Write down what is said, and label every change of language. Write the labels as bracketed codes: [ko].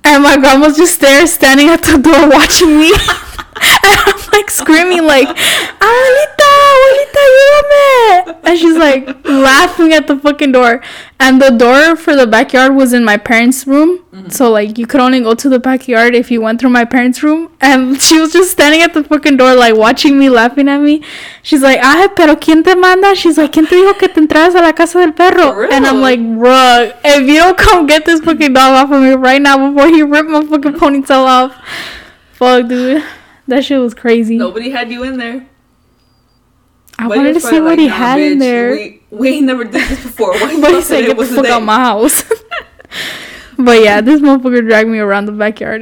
[en] And my grandma's just there standing at the door watching me. And I'm like screaming like, [es] Abuelita, Abuelita, ayúdame. [en] And she's like laughing at the fucking door. And the door for the backyard was in my parents' room. Mm-hmm. So like you could only go to the backyard if you went through my parents' room. And she was just standing at the fucking door like watching me, laughing at me. She's like, [es] ay, pero ¿quién te manda? [en] She's like, [es] ¿quién te dijo que te entras a la casa del perro? [en] And I'm like, bruh, if you don't come get this fucking dog off of me right now before you rip my fucking ponytail off. Fuck, dude. That shit was crazy. Nobody had you in there. I but wanted to see what like, he had bitch, in there. We ain't never did this before. Why but he said, get the fuck out my house. But yeah, this motherfucker dragged me around the backyard.